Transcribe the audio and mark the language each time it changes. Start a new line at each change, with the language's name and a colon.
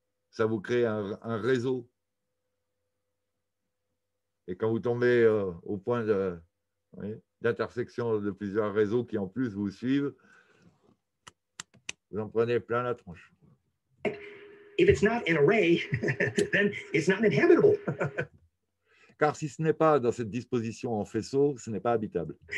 French: Ça vous crée un réseau. Et quand vous tombez au point d'intersection de plusieurs réseaux qui en plus vous suivent, vous en prenez plein la tronche.
English: If it's not an array, then it's not inhabitable.
French: car si ce n'est pas dans cette disposition en faisceau, ce n'est pas habitable.